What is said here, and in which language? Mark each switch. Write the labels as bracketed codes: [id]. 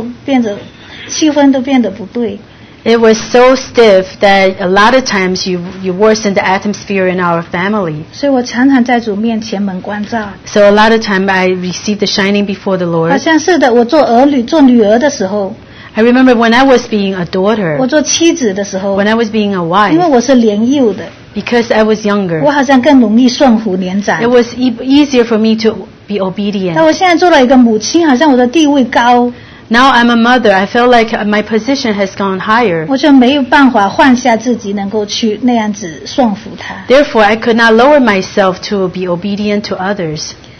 [zh] 就是那么硬，那么硬，就是意思就是不是那么柔软的人，你总是那么弄得好像家庭都变，有时候变得气氛都变得不对。 [en] It was so stiff that a lot of times you worsened the atmosphere in our family. [zh] 所以我常常在主面前蒙光照。 [en] So a lot of time I received the shining before the Lord. [zh] 好像是的，我做儿女、做女儿的时候。 [en] I remember when I was being a daughter. [zh] 我做妻子的时候, [en] when I was being a wife. [zh] 因为我是年幼的, [en] because I was younger. [zh] 我好像更容易顺服年长。 [en] It was easier for me to be obedient. [zh] 但我现在做了一个母亲, 好像我的地位高。 [en] Now I'm a mother. I feel like my position has gone higher. [zh] 我就没有办法换下自己能够去那样子顺服他。 [en] Therefore, I could not lower myself to be obedient to others.